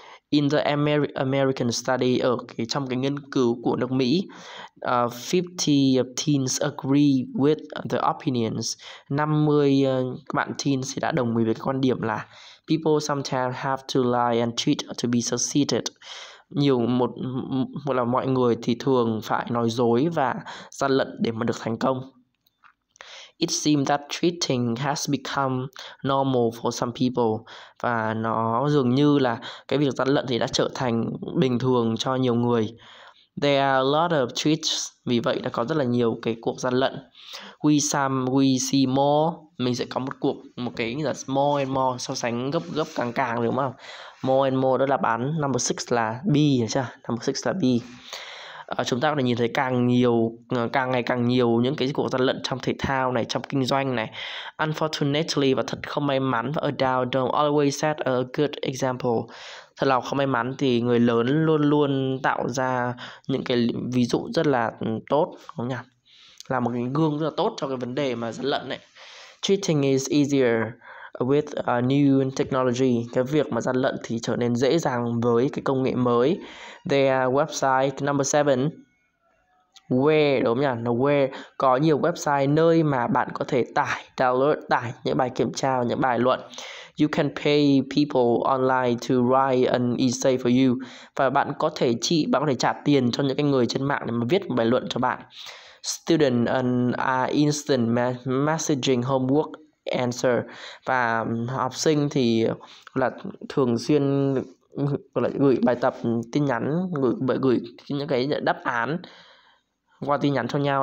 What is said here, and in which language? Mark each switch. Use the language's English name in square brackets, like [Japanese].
[English] In the American study, [Vietnamese] ở cái trong cái nghiên cứu của nước Mỹ, [English] 50 teens agree with the opinions. [Vietnamese] 50 bạn teens thì đã đồng ý với cái quan điểm là [English] people sometimes have to lie and cheat to be succeeded. [Vietnamese] Nhiều một là mọi người thì thường phải nói dối và gian lận để mà được thành công. [English] It seems that cheating has become normal for some people. [Vietnamese] Và nó dường như là cái việc gian lận thì đã trở thành bình thường cho nhiều người. [English] There are a lot of cheats. [Vietnamese] Vì vậy đã có rất là nhiều cái cuộc gian lận. [English] We see more. [Vietnamese] Mình sẽ có một cái là [English] more and more, [Vietnamese] so sánh gấp gấp càng càng đúng không? [English] More and more [Vietnamese] đó là bán number 6 là B, hiểu chưa? Number 6 là B. Chúng ta có thể nhìn thấy càng ngày càng nhiều những cái cuộc gian lận trong thể thao này, trong kinh doanh này. [English] Unfortunately, [Vietnamese] và thật không may mắn, [English] và adults don't always set a good example. [Vietnamese] Thật là không may mắn thì người lớn luôn luôn tạo ra những cái ví dụ rất là tốt, đúng không nhỉ? Là một cái gương rất là tốt cho cái vấn đề mà gian lận này. [English] Cheating is easier with new technology. [Vietnamese] Cái việc mà gian lận thì trở nên dễ dàng với cái công nghệ mới. [English] There are website number 7. Where, [Vietnamese] đúng không nhỉ? Now where có nhiều website nơi mà bạn có thể tải những bài kiểm tra và những bài luận. [English] You can pay people online to write an essay for you. [Vietnamese] Và bạn có thể trả tiền cho những cái người trên mạng để mà viết một bài luận cho bạn. [English] Student are instant messaging homework answer, [Vietnamese] và học sinh thì là thường xuyên là gửi bài tập tin nhắn, gửi những cái đáp án qua tin nhắn cho nhau.